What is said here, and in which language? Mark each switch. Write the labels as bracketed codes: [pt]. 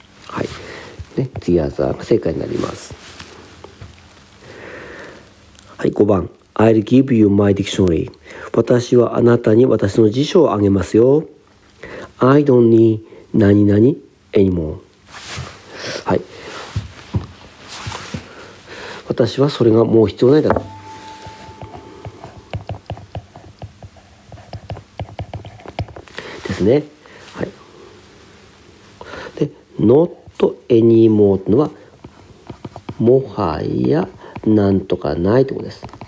[ja] はい、ね、the other が正解になります。はい、5番、 [en] I'll give you my dictionary、 [ja] 私はあなたに私の辞書をあげますよ。 [en] I don't need [ja] 何々 [en] anymore。 [ja] はい、私はそれがもう必要ないだろう。ですね。はい、で not anymore というのはもはやなんとかないってことです。